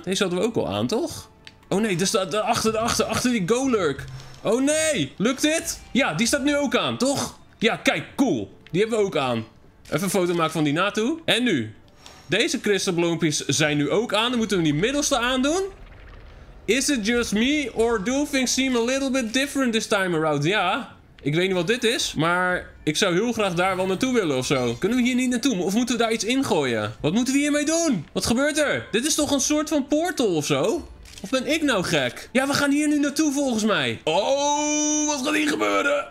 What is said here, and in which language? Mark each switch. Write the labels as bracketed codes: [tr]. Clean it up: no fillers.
[nl] Deze hadden we ook al aan, toch? Oh nee, er staat achter, achter die Golurk. Oh nee, lukt dit? Ja, die staat nu ook aan, toch? Ja, kijk, cool. Die hebben we ook aan. Even een foto maken van die naartoe. En nu? Deze Crystabloompies zijn nu ook aan. Dan moeten we die middelste aandoen. [en] Is it just me or do things seem a little bit different this time around? [nl] Ja. Ik weet niet wat dit is, maar ik zou heel graag daar wel naartoe willen of zo. Kunnen we hier niet naartoe? Of moeten we daar iets ingooien? Wat moeten we hiermee doen? Wat gebeurt er? Dit is toch een soort van portal of zo? Of ben ik nou gek? Ja, we gaan hier nu naartoe volgens mij. Oh, wat gaat hier gebeuren?